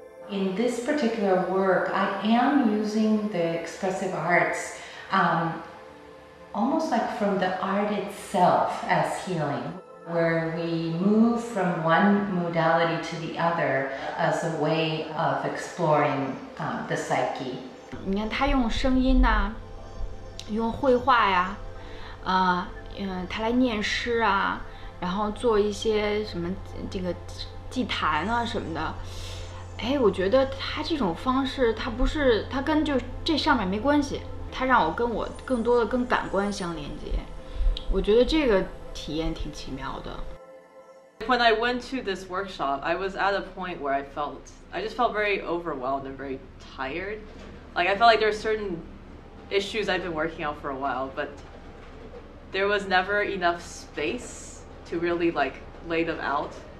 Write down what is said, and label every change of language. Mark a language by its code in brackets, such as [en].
[en] In this particular work, I am using the expressive arts almost like from the art itself as healing, where we move from one modality to the other as a way of exploring the psyche [zh] 你看他用声音呐、用绘画呀、他来念诗啊，然后做一些什么这个祭坛啊什么的。哎，我觉得他这种方式，他不是他跟就这上面没关系，他让我跟我更多的跟感官相连接。我觉得这个体验挺奇妙的。 [en] When I went to this workshop, I was at a point where I just felt very overwhelmed and very tired. Like, I felt like there are certain issues I've been working on for a while, but there was never enough space to really, like, lay them out.